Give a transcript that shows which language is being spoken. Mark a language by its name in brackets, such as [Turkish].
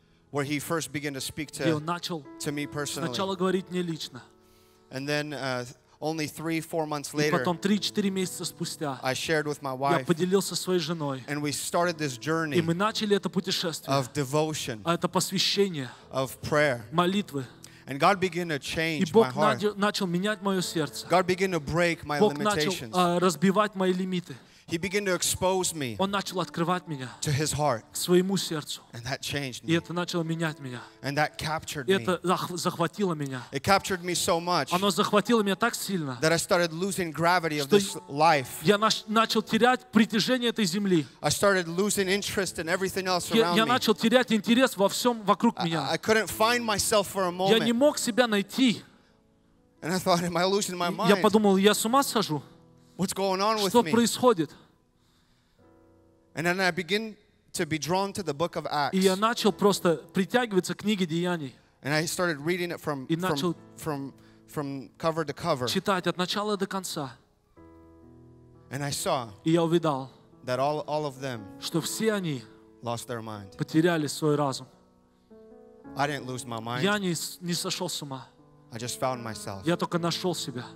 [English] Where he first began to speak to me personally. [Russian] Сначала говорить мне лично. [English] And then Only 3-4 months later, [Russian] потом, 3-4 месяца спустя, [English] I shared with my wife, [Russian] я поделился со своей женой, [English] and we started this journey, [Russian] и мы начали это путешествие, [English] of devotion, [Russian] а это посвящение, [English] of prayer, [Russian] молитвы. [English] And God began to change [Russian] и Бог [English] my heart. [Russian] Начал менять мое сердце. [English] God began to break my [Russian] Бог [English] limitations. [Russian] Начал, разбивать мои лимиты. [English] He began to expose me [Russian] Он начал открывать меня [English] to his heart. [Russian] К своему сердцу. [English] And that changed [Russian] и [English] me. [Russian] Это начало менять меня. [English] And that captured [Russian] и это захватило меня. [English] It captured me so much [Russian] Оно захватило меня так сильно, [English] that I started losing gravity of this life. [Russian] Я начал терять притяжение этой земли. [English] I started losing interest in everything else around me. [Russian] Я начал терять интерес во всем вокруг меня. [English] I couldn't find myself for a moment. [Russian] Я не мог себя найти. [English] And I thought, am I losing my mind? [Russian] Я подумал, я с ума схожу. [English] What's going on with [Russian] Что [English] me? [Russian] Происходит? [English] And then I begin to be drawn to the book of Acts. [Russian] И я начал просто притягиваться к книге Деяний. [English] And I started reading it from cover to cover. [Russian] Читать от начала до конца. [English] And I saw [Russian] И я увидал, [English] that all of them [Russian] что все они [English] lost their mind. [Russian] Потеряли свой разум. [English] I didn't lose my mind. [Russian] Я не сошел с ума. [English] I just found myself [Russian] Я только нашел себя